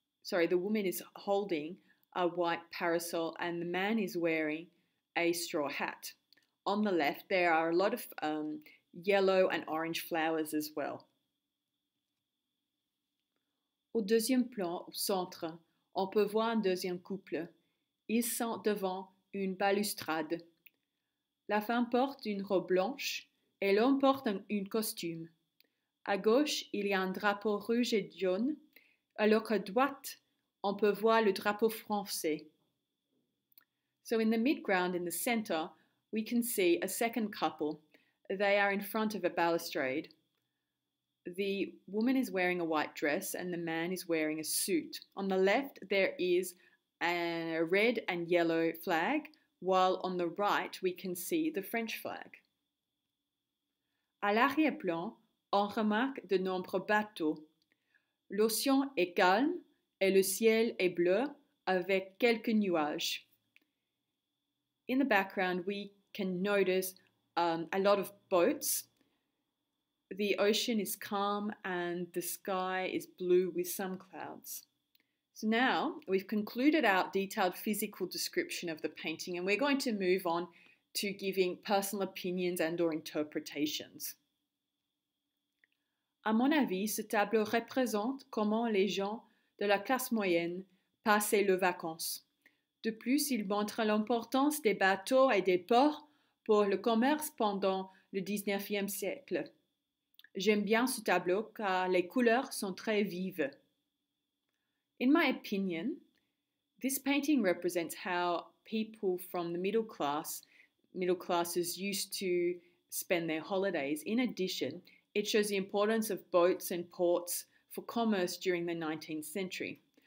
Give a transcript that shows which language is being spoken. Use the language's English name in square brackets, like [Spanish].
[English] The woman is holding a white parasol and the man is wearing a straw hat. On the left, there are a lot of yellow and orange flowers as well. [French] Au deuxième plan, au centre, on peut voir un deuxième couple. Ils sont devant une balustrade. La femme porte une robe blanche et l'homme porte une costume. À gauche, il y a un drapeau rouge et jaune, alors qu'à droite, on peut voir le drapeau français. [English] So in the mid-ground, in the center, we can see a second couple. They are in front of a balustrade. The woman is wearing a white dress and the man is wearing a suit. On the left, there is a red and yellow flag, while on the right, we can see the French flag. [French] À l'arrière-plan, on remarque de nombreux bateaux. L'océan est calme et le ciel est bleu avec quelques nuages. [English] In the background, we can notice a lot of boats. The ocean is calm and the sky is blue with some clouds. So now we've concluded our detailed physical description of the painting and we're going to move on to giving personal opinions and or interpretations. [French] À mon avis, ce tableau représente comment les gens de la classe moyenne passaient leurs vacances. De plus, il montre l'importance des bateaux et des ports pour le commerce pendant le 19e siècle. J'aime bien ce tableau car les couleurs sont très vives. [English] In my opinion, this painting represents how people from the middle class middle classes used to spend their holidays. In addition, it shows the importance of boats and ports for commerce during the 19th century.